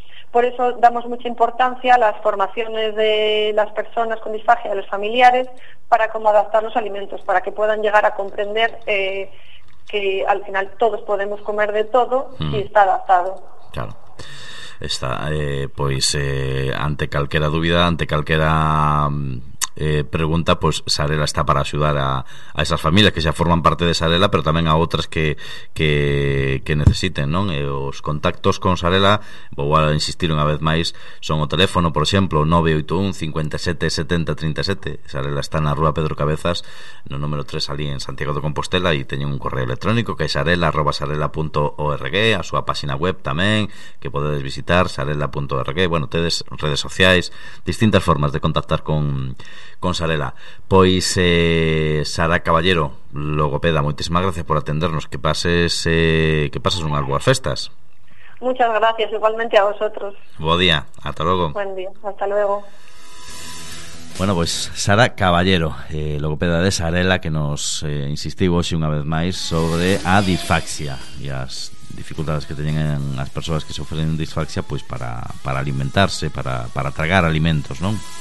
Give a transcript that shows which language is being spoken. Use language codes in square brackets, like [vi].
[es] Por eso damos mucha importancia a las formaciones de las personas con disfagia, de los familiares, para cómo adaptar los alimentos, para que puedan llegar a comprender que al final todos podemos comer de todo si está adaptado. Claro. Está, pues, [gl] ante calquera dúbida, ante calquera pregunta, [es] pues Sarela está para ayudar a esas familias que ya forman parte de Sarela, pero también a otras que necesiten, ¿no? [gl] Os contactos con Sarela, vou a insistir unha vez máis, son o teléfono, por exemplo, 981 57 70 37. Sarela está na rúa Pedro Cabezas, no número 3, ali en Santiago de Compostela, e teñen un correo electrónico que é sarela@sarela.org, a súa página web tamén que podedes visitar, sarela.org. bueno, tedes redes sociais, distintas formas de contactar con Sarela. Pois Sara Caballero, logopeda, moitísimas gracias por atendernos. Que pases unhas boas festas. [es] Muchas gracias, igualmente a vosotros. [gl] Bo día, ata logo. [es] Buen día, hasta luego. [gl] Bueno, pois Sara Caballero, logopeda de Sarela, que nos insistiu hoxe unha vez máis sobre a disfaxia e as dificultades que teñen as persoas que sofren disfaxia, pois para alimentarse, para tragar alimentos, non?